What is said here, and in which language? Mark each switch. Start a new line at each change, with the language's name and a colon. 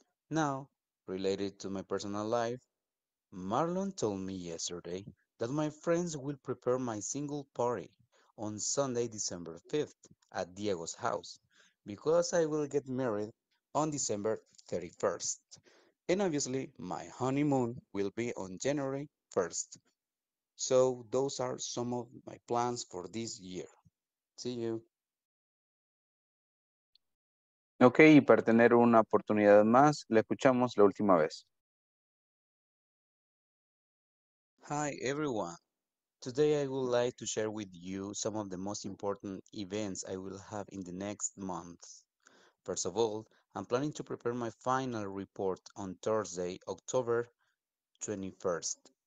English: Now, related to my personal life, Marlon told me yesterday that my friends will prepare my single party on Sunday, December 5th at Diego's house because I will get married on December 31st. And obviously, my honeymoon will be on January 1st. So those are some of my plans for this year. See you.
Spanish: Okay, y para tener una oportunidad más, le escuchamos la última vez.
English: Hi everyone. Today I would like to share with you some of the most important events I will have in the next month. First of all, I'm planning to prepare my final report on Thursday, October 21st.